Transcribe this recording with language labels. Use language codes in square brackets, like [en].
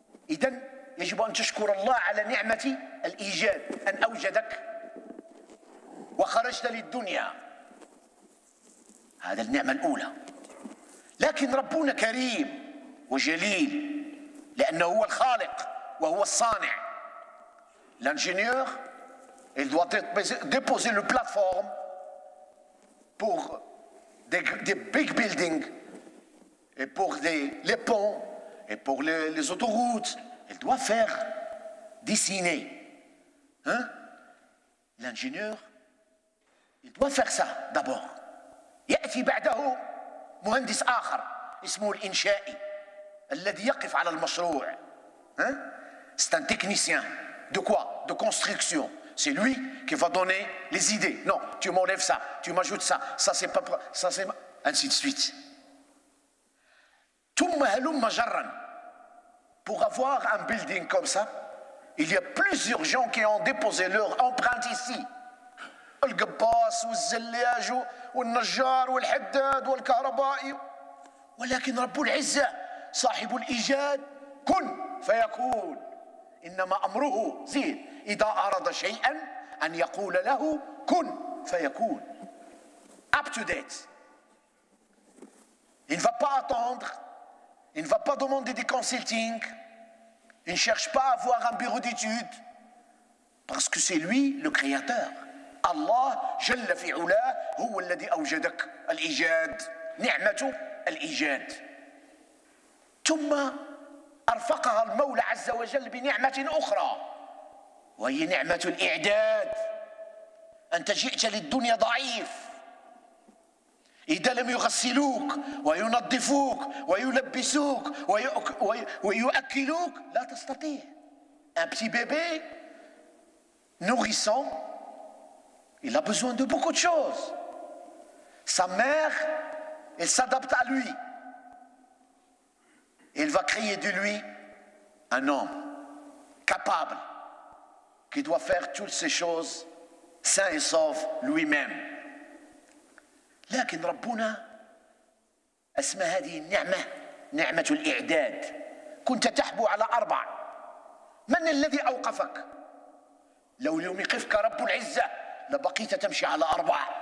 [ar] إذن يجب أن تشكر الله على نعمة الإيجاد، أن أوجدك وخرجت للدنيا، هذا النعمة الأولى. لكن ربنا كريم وجليل لأنه هو الخالق وهو الصانع. [fr] L'ingénieur, il doit déposer le plateforme pour des [en] big buildings [fr] et pour les ponts et pour les autoroutes. Il doit faire dessiner. Hein? L'ingénieur, il doit faire ça d'abord. [ar] يأتي بعده مهندس آخر اسمه الإنشائي الذي يقف على المشروع. [fr] C'est un technicien. De quoi? De construction. C'est lui qui va donner les idées. Non, tu m'enlèves ça, tu m'ajoutes ça. Ça, c'est pas... Ça, c'est... Ainsi de suite. [ar] ثم هلم جرا. [fr] Pour avoir un building comme ça, il y a plusieurs gens qui ont déposé leur empreinte ici. [ar] القباس والزلاج والنجار والحداد والكهربائي. ولكن رب العزة صاحب الإيجاد كن فيكون. إنما أمره زين إذا أراد شيئا أن يقول له كن فيكون. [en] Up to date. [fr] Il ne va pas attendre. Il ne va pas demander des consulting. Il ne cherche pas à avoir un bureau d'études. Parce que c'est lui le créateur. [ar] الله جل في علاه هو الذي أوجدك. الإيجاد، نعمة الإيجاد. ثم أرفقها المولى عز وجل بنعمة أخرى وهي نعمة الإعداد. أنت جئت للدنيا ضعيف، إذا لم يغسلوك وينظفوك ويلبسوك ويؤكلوك لا تستطيع. [fr] Un petit bébé nourrissant, il a besoin de beaucoup de choses. Sa mère, elle s'adapte à lui. Elle va créer de lui un homme capable qui doit faire toutes ces choses sain et sauf lui-même. [ar] لكن ربنا اسمى هذه النعمة نعمة الإعداد. كنت تحبو على 4. من الذي أوقفك؟ لو لم يقفك رب العزة لبقيت تمشي على 4.